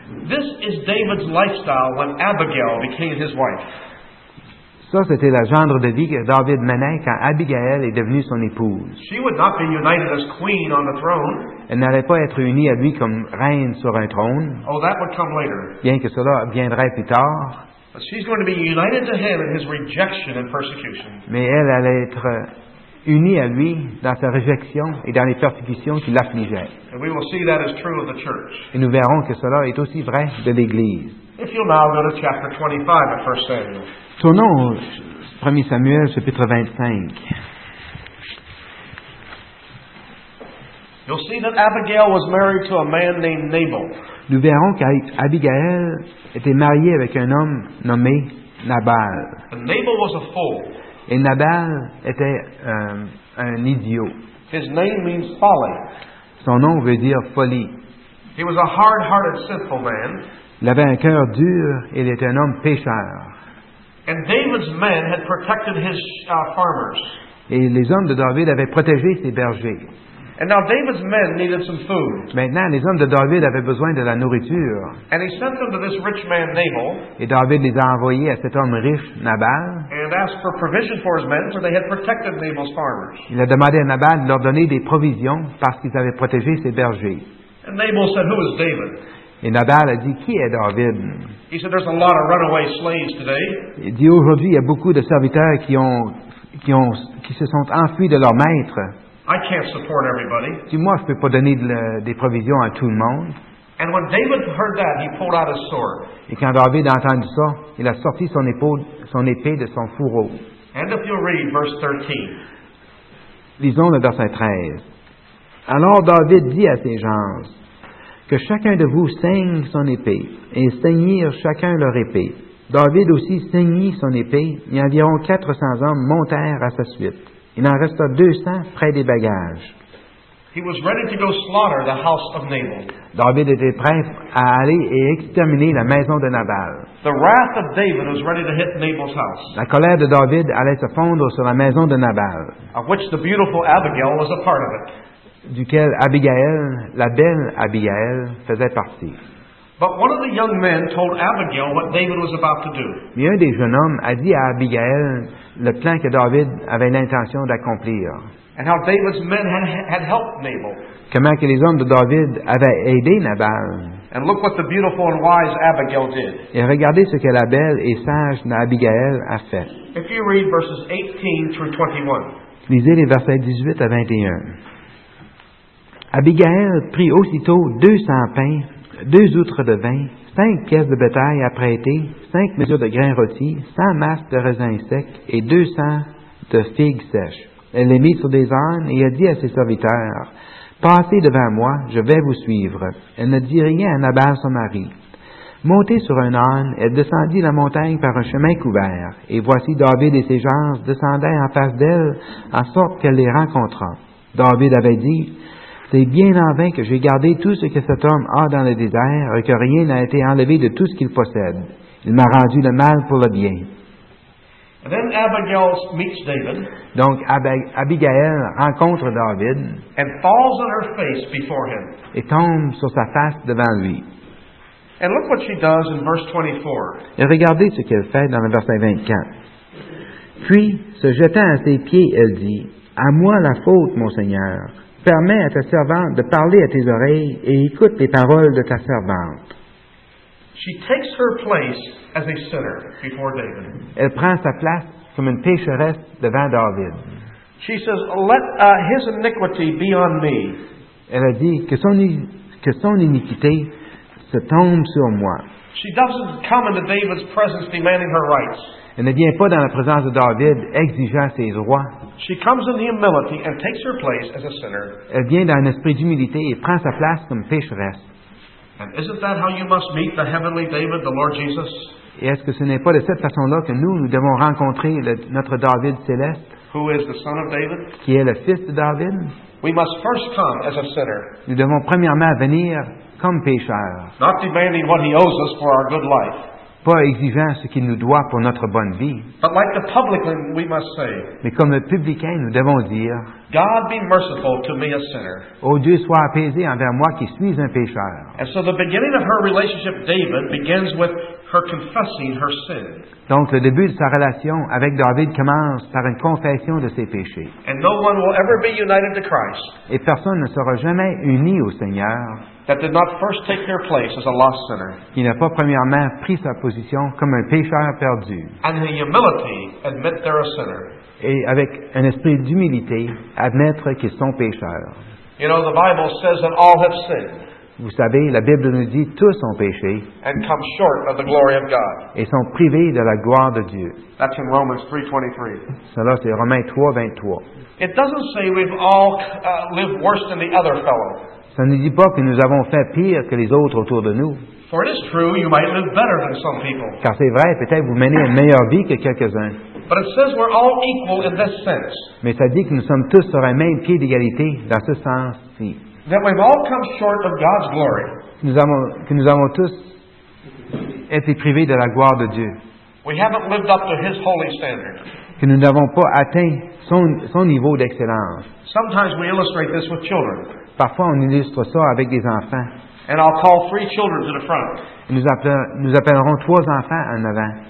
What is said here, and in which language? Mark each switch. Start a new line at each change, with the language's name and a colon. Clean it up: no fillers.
English: This is David's lifestyle when Abigail became his wife.
French: Ça, c'était la genre de vie que David menait quand Abigail est devenue son épouse.
English: She would not be united as queen on the throne.
French: Elle n'allait pas être unie à lui comme reine sur un trône.
English: Oh, that would come later.
French: Bien que cela viendrait plus tard.
English: But she's going to be united to him in his rejection and persecution.
French: Mais elle allait être unie à lui dans sa rejection et dans les persécutions qui l'affligeaient.
English: And we will see that is true of the church.
French: Et nous verrons que cela est aussi vrai de l'Église.
English: If you'll now go to chapter 25 of 1 Samuel.
French: Tournons au 1 Samuel, chapitre 25.
English: You'll see that Abigail was married to a man named Nabal.
French: Nous verrons qu'Abigail était mariée avec un homme nommé Nabal.
English: And Nabal was a fool.
French: Et Nabal était un idiot.
English: His name means folly.
French: Son nom veut dire folie.
English: He was a hard-hearted, sinful man.
French: Il avait un cœur dur et il était un homme pécheur.
English: And David's men had protected his farmers.
French: Et les hommes de David avaient protégé ses bergers.
English: And now David's men needed some food.
French: Maintenant, les hommes de David avaient besoin de la nourriture.
English: And he sent them to this rich man Nabal.
French: Et David les a envoyés à cet homme riche, Nabal.
English: And asked for provision for his men, for they had protected Nabal's farmers.
French: Il a demandé à Nabal de leur donner des provisions parce qu'ils avaient protégé ses bergers.
English: And Nabal said, "Who is David?"
French: Et Nabal a dit, qui est David?
English: He said, "There's a lot of runaway slaves today."
French: Il dit, aujourd'hui, il y a beaucoup de serviteurs qui se sont enfuis de leur maître.
English: I can't support everybody.
French: Dis moi, je peux pas donner des provisions à tout le monde.
English: And when David heard that, he pulled out his sword.
French: Et quand David a entendu ça, il a sorti son épée de son fourreau.
English: And if you'll read verse 13.
French: Lisons le verset 13. Alors David dit à ses gens, que chacun de vous saigne son épée, et saignir chacun leur épée. David aussi saignit son épée, et environ 400 hommes montèrent à sa suite. Il en resta 200 près des bagages.
English: He was ready to go slaughter the house of Nabal.
French: David était prêt à aller et exterminer la maison de Nabal.
English: The wrath of David was ready to hit Nabal's house.
French: La colère de David allait se fondre sur la maison de Nabal.
English: Of which the beautiful Abigail was a part of it.
French: Duquel Abigail, la belle Abigail, faisait partie.
English: But one of the young men told Abigail what David was about to do.
French: Mais un des jeunes hommes a dit à Abigail le plan que David avait l'intention d'accomplir.
English: And how David's men had helped Nabal.
French: Comment que les hommes de David avaient aidé Nabal.
English: And look what the beautiful and wise Abigail did.
French: Et regardez ce que la belle et sage Abigail a fait.
English: If you read verses 18 through 21.
French: Lisez les versets 18 à 21. Abigail prit aussitôt 200 pains, 2 outres de vin, 5 pièces de bétail à prêter, 5 mesures de grains rôtis, 100 masses de raisins secs et 200 de figues sèches. Elle les mit sur des ânes et a dit à ses serviteurs, « Passez devant moi, je vais vous suivre. » Elle ne dit rien à Nabal, son mari. Montée sur un âne, elle descendit la montagne par un chemin couvert, et voici David et ses gens descendaient en face d'elle, en sorte qu'elle les rencontra. David avait dit, « C'est bien en vain que j'ai gardé tout ce que cet homme a dans le désert et que rien n'a été enlevé de tout ce qu'il possède. Il m'a rendu le mal pour le bien. »
English: Then Abigail meets David.
French: Donc Abigail rencontre David.
English: And falls on her face before him.
French: Et tombe sur sa face devant lui.
English: And look what she does in verse 24.
French: Et regardez ce qu'elle fait dans le verset 24. Puis, se jetant à ses pieds, elle dit, « À moi la faute, mon Seigneur. Permets à ta servante de parler à tes oreilles et écoute les paroles de ta servante. »
English: She takes her place as a sinner before David.
French: Elle prend sa place comme une pécheresse devant David.
English: She says, "Let his iniquity be on me."
French: Elle a dit que son iniquité se tombe sur moi.
English: She doesn't come into David's presence demanding her rights.
French: Elle ne vient pas dans la présence de David exigeant ses droits.
English: She comes in humility and takes her place as a sinner.
French: Elle vient dans un esprit d'humilité et prend sa place comme pécheresse.
English: And isn't that how you must meet the heavenly David, the Lord Jesus?
French: Et est-ce que ce n'est pas de cette façon-là que nous devons rencontrer notre David céleste?
English: Who is the son of David?
French: Qui est le fils de David?
English: We must first come as a sinner.
French: Nous devons premièrement venir comme pécheur.
English: Not demanding what he owes us for our good life.
French: Pas exigeant ce qu'il nous doit pour notre bonne vie.
English: But like the publican, we must say.
French: Mais comme le publicain, nous devons dire.
English: God be merciful to me, a sinner.
French: Ô Dieu, sois apaisé envers moi qui suis un pécheur.
English: And so the beginning of her relationship with David begins with her confessing her sin.
French: Donc le début de sa relation avec David commence par une confession de ses péchés.
English: And no one will ever be united to Christ.
French: Et personne ne sera jamais uni au Seigneur.
English: That did not first take their place as a lost sinner.
French: Il n'a pas premièrement pris sa position comme un pécheur perdu.
English: And in humility, admit they're a sinner.
French: Et avec un esprit d'humilité, admettre qu'ils sont pécheurs.
English: You know, the Bible says that all have sinned.
French: Vous savez, la Bible nous dit tous ont péché.
English: And come short of the glory of God.
French: Et sont privés de la gloire de Dieu.
English: That's in Romans 3:23.
French: Cela c'est Romains 3:23.
English: It doesn't say we've all lived worse than the other fellow.
French: Ça ne dit pas que nous avons fait pire que les autres autour de nous.
English: For it is true, you might live better than some people.
French: Car c'est vrai, peut-être vous menez une meilleure vie que quelques-uns.
English: But it says we're all equal in this sense.
French: Mais ça dit que nous sommes tous sur un même pied d'égalité dans ce sens-ci.
English: That we've all come short of God's glory.
French: Que nous avons tous été privés de la gloire de Dieu.
English: We haven't lived up to His holy standard.
French: Que nous n'avons pas atteint son niveau d'excellence.
English: Sometimes we illustrate this with children.
French: Parfois, on illustre ça avec des enfants.
English: And I'll call three children to the front.
French: Nous appellerons trois enfants en avant.